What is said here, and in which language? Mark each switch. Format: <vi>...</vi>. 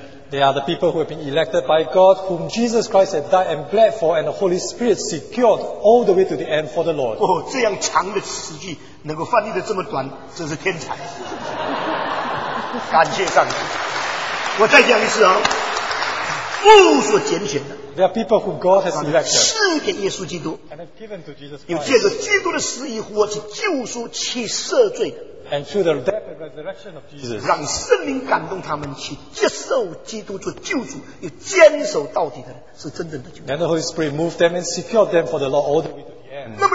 <en>They are the people who have been elected by God, whom Jesus Christ had died and bled for, and the Holy Spirit secured all the way to the end for the Lord.</en> <zh>Oh, 这样长的词句, 能够翻译得这么短, 真是天才。感谢上帝。我再讲一次哦, 父所拣选的,</zh> <en>there are people who God has elected,</en> <zh>赐给耶稣基督,</zh> <en>and have given to Jesus Christ,</en> <zh>有借着基督的死与复活去救赎其赦罪,</zh> <en>and through the death and resurrection of Jesus,</en> <zh>让圣灵感动他们去接受基督做救主, 又坚守到底的人, 是真正的救主。</zh> <en>Then the Holy Spirit moved them and secured them for the Lord all the way to the end.</en>